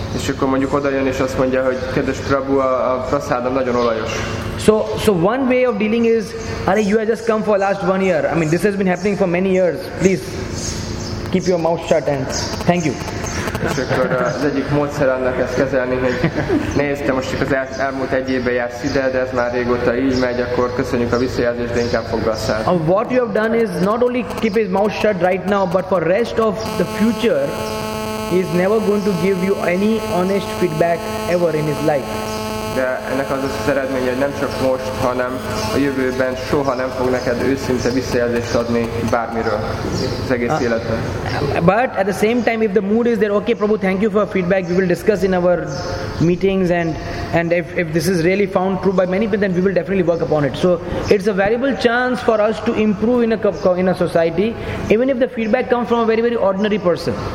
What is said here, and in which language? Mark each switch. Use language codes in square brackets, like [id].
[hu] És akkor mondjuk odajön és azt mondja, hogy kedves Prabhu, a prasádom nagyon olajos. [en] So one way of dealing is, you have just come for last 1 year. I mean, this has been happening for many years. Please keep your mouth shut and thank you. [hu] És akkor az egyik módszer annak ezt kezelni, hogy nézd, most csak az elmúlt egy évben jársz ide, de ez már régóta így megy, akkor köszönjük a visszajelzést, de inkább foggasszál. [en] What you have done is not only keep his mouth shut right now, but for rest of the future, he is never going to give you any honest feedback ever in his life. [hu] De ennek az az eredménye, hogy nem csak most, hanem a jövőben soha nem fog neked őszinte visszajelzést adni bármiről az egész életben. [en] But at the same time, if the mood is there, okay, Prabhu, thank you for feedback, we will discuss in our meetings, and if this is really found true by many people, then we will definitely work upon it. So it's a valuable chance for us to improve in a society, even if the feedback comes from a very, very ordinary person.